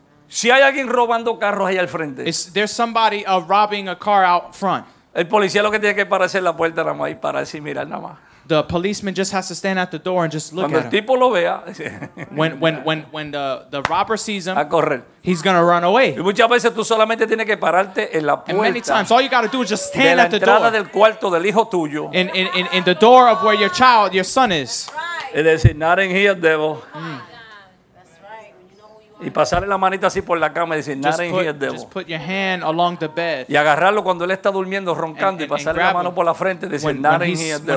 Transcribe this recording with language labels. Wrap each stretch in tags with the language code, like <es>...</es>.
<es>Si hay alguien robando carros ahí al frente.</es> <en>Is there somebody robbing a car out front?</en> <es>El policía lo que tiene que pararse en la puerta nada más y pararse y mirar nada más.</es> <en>The policeman just has to stand at the door and just look</en> <es>cuando</es> <en>at</en> <es>el tipo</es> <en>him.</en> <es>Lo vea.</es> <en>when the robber sees him,</en> <es>a correr.</es> <en>He's going to run away.</en> <es>Y muchas veces tú solamente tienes que pararte en la puerta.</es> <en>And many times, all you got to do is just stand</en> <es>de la entrada</es> <en>at the door.</en> <es>Del cuarto del hijo tuyo.</es> <en>In the door of where your child, your son is.</en> <es>Y decir,</es> <en>not in here, devil.</en> <es>Y pasarle la manita así por la cama y decir,</es> <en>not in here, devil. Just put your hand along the bed.</en> <es>Y agarrarlo cuando él está durmiendo, roncando, y pasarle la mano por la frente y decir,</es> <en>not in here, devil.</en>